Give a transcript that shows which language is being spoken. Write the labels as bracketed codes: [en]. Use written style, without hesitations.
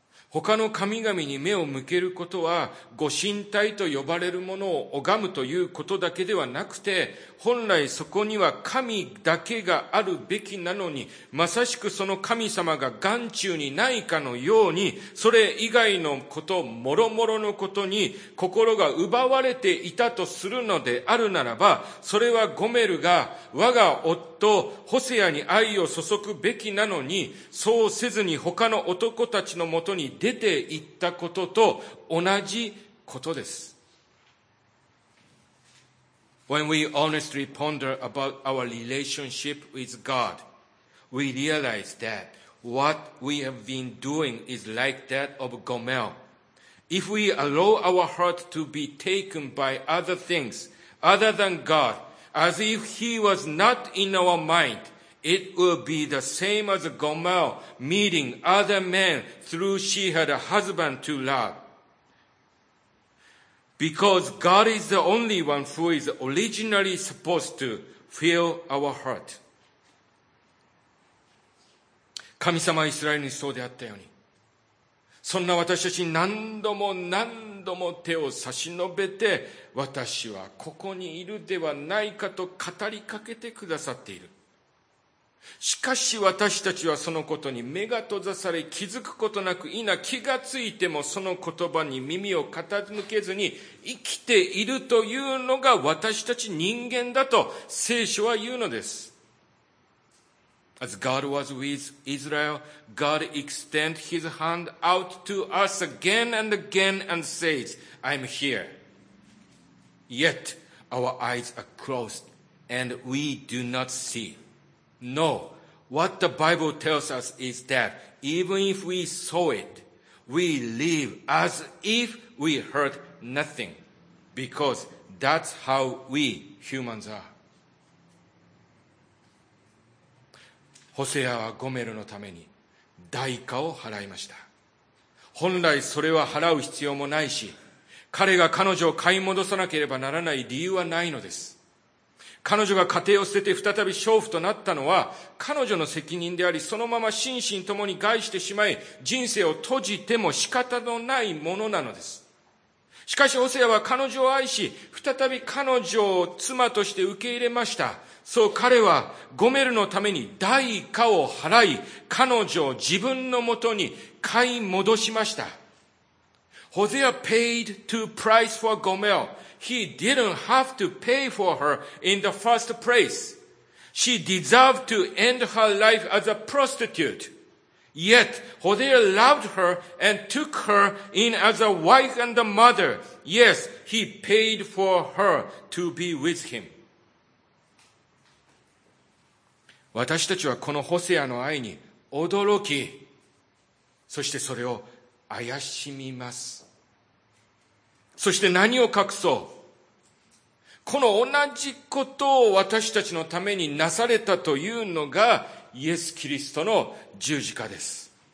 [ja] 他の神々に目を向けることは、ご神体と呼ばれるものを拝むということだけではなくて、本来そこには神だけがあるべきなのに、まさしくその神様が眼中にないかのように、それ以外のこと、もろもろのことに心が奪われていたとするのであるならば、それはゴメルが我が夫ホセアに愛を注ぐべきなのに、そうせずに他の男たちのもとに出て行ったことと同じことです。 [en] When we honestly ponder about our relationship with God, we realize that what we have been doing is like that of Gomer. If we allow our heart to be taken by other things other than God, as if He was not in our mind, it will be the same as Gomer meeting other men through she had a husband to love. Because God is the only one who is originally supposed to fill our heart. [ja] 神様はイスラエルにそうであったように、そんな私たちに何度も何度も手を差し伸べて、私はここにいるではないかと語りかけてくださっている。しかし私たちはそのことに目が閉ざされ、気づくことなく、いな気がついてもその言葉に耳を傾けずに生きているというのが私たち人間だと聖書は言うのです。 [en] As God was with Israel, God extend his hand out to us again and again and says, I'm here. Yet our eyes are closed and we do not seeNo, what the Bible tells us is that even if we saw it, we live as if we heard nothing, because that's how we humans are. [ja] ホセアはゴメルのために代価を払いました。本来それは払う必要もないし、彼が彼女を買い戻さなければならない理由はないのです。彼女が家庭を捨てて再び娼婦となったのは彼女の責任であり、そのまま心身ともに害してしまい、人生を閉じても仕方のないものなのです。しかしホセアは彼女を愛し、再び彼女を妻として受け入れました。そう、彼はゴメルのために代価を払い、彼女を自分のもとに買い戻しました。 [en] ホセア paid to price for Gomer. He didn't have to pay for her in the first place. She deserved to end her life as a prostitute. Yet, Hosea loved her and took her in as a wife and a mother. Yes, he paid for her to be with him. [ja] 私たちはこのホセアの愛に驚き、そしてそれを怪しみます。そして何を隠そう、この同じことを私たちのためになされたというのがイエス・キリストの十字架です。